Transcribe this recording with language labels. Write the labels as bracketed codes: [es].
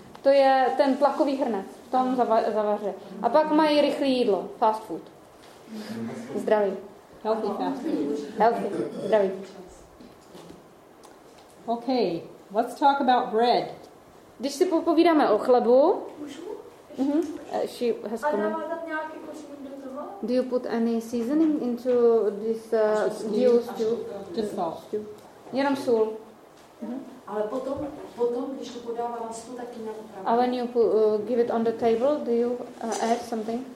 [cs] To je ten tlakový hrnec, v tom zavaře. A pak mají rychlé jídlo, fast food. Zdraví. [en] Healthy fast food. Healthy, zdraví. Okay, let's talk about bread. [cs] Když si popovídáme o chlebu, Mm-hmm. A dávat nějaký do toho? [en] Do you put any seasoning into this stew? Just salt. [cs] Jenom sůl. Ale potom, když to podává na stůl, tak jinak opravdu. [en] And when you put, give it on the table, do you add something?